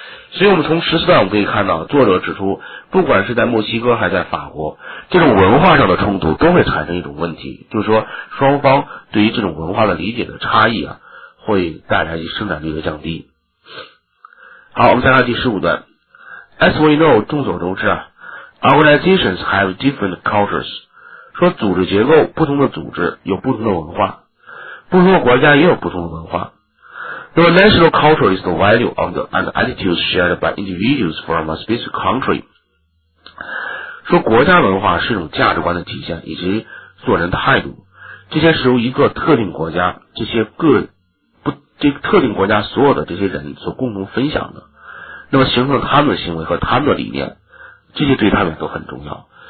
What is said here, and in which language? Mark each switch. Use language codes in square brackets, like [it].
[zh] 所以我们从14段我们可以看到，作者指出不管是在墨西哥还在法国，这种文化上的冲突都会产生一种问题，就是说双方对于这种文化的理解的差异啊，会带来生产率的降低。好，我们再看第15段。 [en] As we know, [zh] 众所周知啊， [en] Organizations have different cultures. [zh] 说组织结构，不同的组织有不同的文化，不同的国家也有不同的文化。 [en] The national culture is the value of the and attitudes shared by individuals from a specific country. [zh] 说国家文化是一种价值观的体现以及做人态度，这些是由一个特定国家这些个不这个、特定国家所有的这些人所共同分享的，那么形成他们的行为和他们的理念，这些对他们都很重要。